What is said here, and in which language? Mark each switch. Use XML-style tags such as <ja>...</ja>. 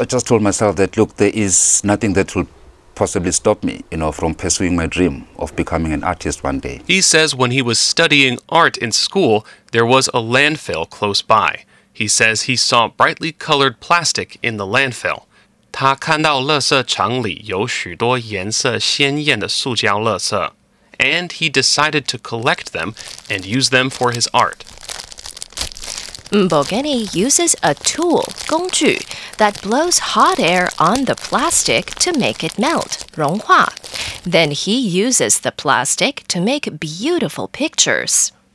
<en>I just told myself that, look, there is nothing that will... possibly stop me, you know, from pursuing my dream of becoming an artist one day. He says when he was studying art in school, there was a landfill close by. He says he saw brightly colored plastic in the landfill.</en> <zh>他看到垃圾场里有许多颜色鲜艳的塑胶垃圾。</zh> <en>And he decided to collect them and use them for his art. Mbongeni uses a tool, 工具, that blows hot air on the plastic to make it melt, 融化. Then he uses the plastic to make beautiful pictures.</en>